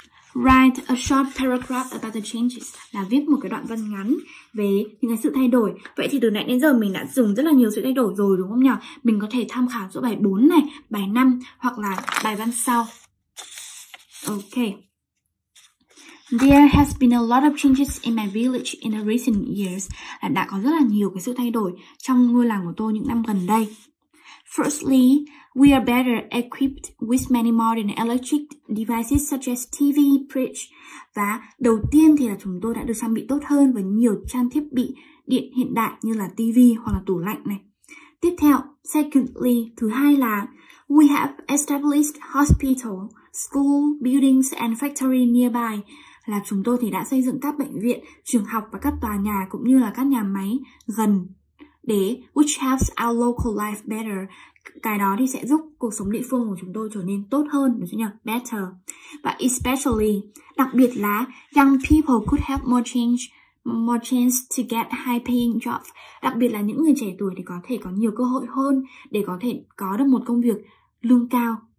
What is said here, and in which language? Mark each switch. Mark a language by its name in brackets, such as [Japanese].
[English] Write a short paragraph about the changes, [Vietnamese] là viết một cái đoạn văn ngắn về những cái sự thay đổi. Vậy thì từ nãy đến giờ mình đã dùng rất là nhiều sự thay đổi rồi, đúng không nhỉ? Mình có thể tham khảo giữa bài 4 này, bài 5 hoặc là bài văn sau. Ok. [English] There has been a lot of changes in my village in the recent years. [Vietnamese] Đã có rất là nhiều cái sự thay đổi trong ngôi làng của tôi những năm gần đây. [English] Firstly, we are better equipped with many modern electric devices such as TV, fridge. [Vietnamese] Và đầu tiên thì là chúng tôi đã được trang bị tốt hơn với nhiều trang thiết bị điện hiện đại như là TV hoặc là tủ lạnh này. Tiếp theo, [English] secondly, [Vietnamese] thứ hai là [English] we have established hospital, school, buildings and factory nearby. [Vietnamese] Là chúng tôi thì đã xây dựng các bệnh viện, trường học và các tòa nhà cũng như là các nhà máy gần để [English] which helps our local life better. [Vietnamese] Cái đó thì sẽ giúp cuộc sống địa phương của chúng tôi trở nên tốt hơn, đúng không nhỉ? [English] Better. But especially, [Vietnamese] đặc biệt là [English] young people could have more chance to get high paying jobs. [Vietnamese] Đặc biệt là những người trẻ tuổi thì có thể có nhiều cơ hội hơn để có thể có được một công việc lương cao.